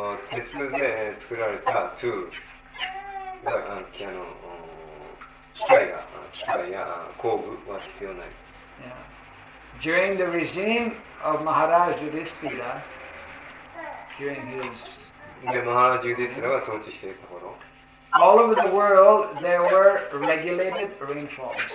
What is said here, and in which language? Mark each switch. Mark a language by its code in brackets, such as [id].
[ja] 鉄で作られたツールが、機械や工具は必要ない。 [en] Yeah. During the regime of Maharaj Yudhisthira, during his... [ja] で、Maharaj Yudhisthira が統治していた頃、 [en] All over the world, there were regulated rainfalls.